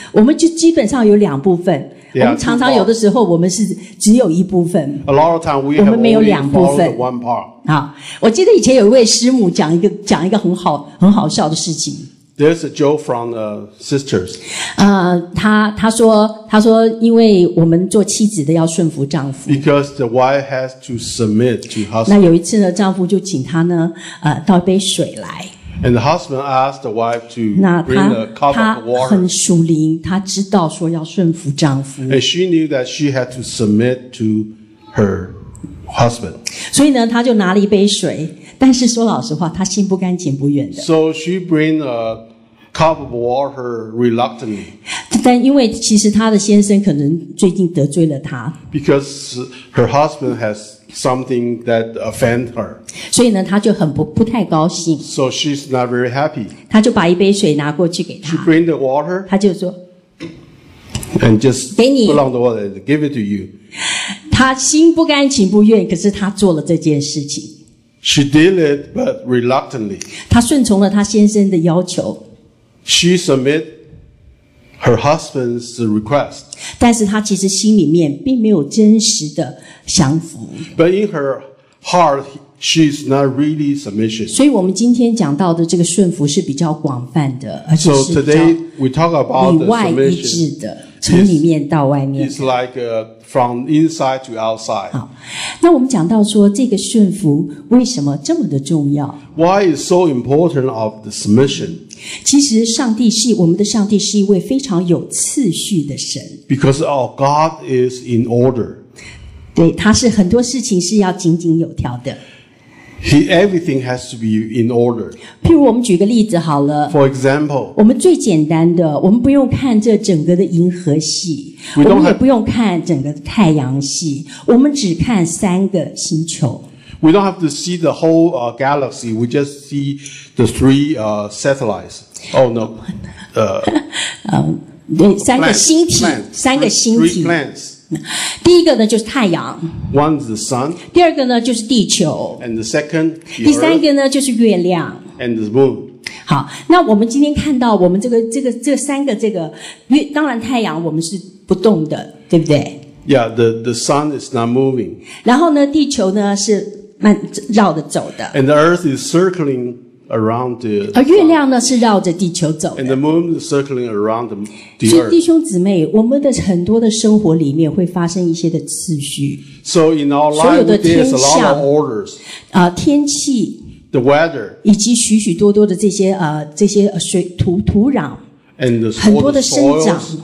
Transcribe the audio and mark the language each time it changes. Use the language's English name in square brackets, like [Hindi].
[Chinese] 我们就基本上有两部分。我们常常有的时候，我们是只有一部分。 [English] A lot of time we [Chinese] 我们没有两部分。 [English] One part. [Chinese] 好，我记得以前有一位师母讲一个很好笑的事情。 [English] There's a joke from the sisters. [Chinese] 他说因为我们做妻子的要顺服丈夫。 [English] Because the wife has to submit to husband. [Chinese] 那有一次呢，丈夫就请她呢，倒一杯水来。 [English] And the husband asked the wife to bring a cup of water. [Chinese] 她很属灵，她知道说要顺服丈夫。 [English] And she knew that she had to submit to her husband. [Chinese] 所以呢，她就拿了一杯水。但是说老实话，她心不甘情不愿的。 [English] So she bring a cup of water reluctantly. [Chinese] 但因为其实她的先生可能最近得罪了她。 [English] Because her husband has something that offend her. [Chinese] 所以呢，她就很不太高兴。 [English] So she's not very happy. [Chinese] 她就把一杯水拿过去给她。 [English] She bring the water. [Chinese] 她就说 [English] ，and just [Chinese] 给你 [English] put on the water and give it to you. [Chinese] 她心不甘情不愿，可是她做了这件事情。 [English] She did it, but reluctantly. [Chinese] 她顺从了她先生的要求。 [English] She submit her husband's request. [Chinese] 但是她其实心里面并没有真实的降服。 [English] But in her heart, she's not really submission. [Chinese] 所以我们今天讲到的这个顺服是比较广泛的，而且是比较。 [English] So today we talk about the submission. [Chinese] 里外一致的，从里面到外面。 [English] It's like a from inside to outside. [Chinese] 好，那我们讲到说这个顺服为什么这么的重要？ [English] Why is so important of the submission? [Chinese] 其实上帝是我们的上帝是一位非常有次序的神。 [English] Because our God is in order. [Chinese] 对，他是很多事情是要井井有条的。 [English] He, everything has to be in order. [Chinese] 譬如我们举个例子好了。 [English] For example, [Chinese] 我们最简单的，我们不用看这整个的银河系， [English] we don't [Chinese] 我们也不用看整个太阳系，我们只看三个星球。 [English] We don't have to see the whole galaxy. We just see the three satellites. Oh no. [Chinese] 三个星体， [English] plants, [Chinese] 三个星体。 [English] Three planets. [Chinese] 第一个呢就是太阳 [English] One is the sun, [Chinese] 第二个呢就是地球 [English] and the second, [Chinese] 第三个呢就是月亮 [English] and the moon. [Chinese] 好，那我们今天看到我们这三个这个月，当然太阳我们是不动的，对不对？ [English] Yeah, the sun is not moving. [Chinese] 然后呢地球呢是慢绕着走的 [English] and the earth is circling around the sun. [Chinese] 而月亮呢是绕着地球走的 [English] and the moon is circling around the earth. [Chinese] 所以弟兄姊妹，我们的很多的生活里面会发生一些的次序。 [English] So in our life, [Chinese] 所有的天象 [English] there's a lot of orders, [Chinese] 天气 [English] the weather, [Chinese] 以及许许多多的这些水土壤 [English] and the, [Chinese] 很多的生长